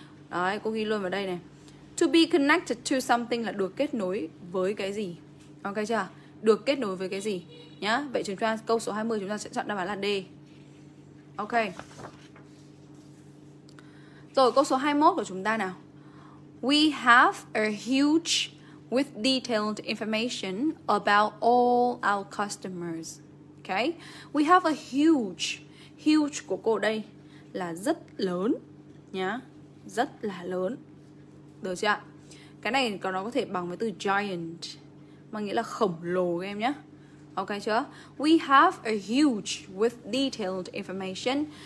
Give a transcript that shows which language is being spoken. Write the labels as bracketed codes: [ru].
[vi] Đấy, cô ghi luôn vào đây này. [en] To be connected to something [vi] là được kết nối với cái gì. Ok chưa? Được kết nối với cái gì nhá. Vậy chúng ta câu số 20 chúng ta sẽ chọn đáp án là D. Ok. Rồi câu số 21 của chúng ta nào. [en] We have a huge with detailed information about all our customers. Ok. We have a huge. [vi] Huge của cô đây là rất lớn nhá. Rất là lớn. Được chưa ạ? Cái này nó có thể bằng với từ giant, mang nghĩa là khổng lồ các em nhé. Ok chưa? [en] We have a huge with detailed information.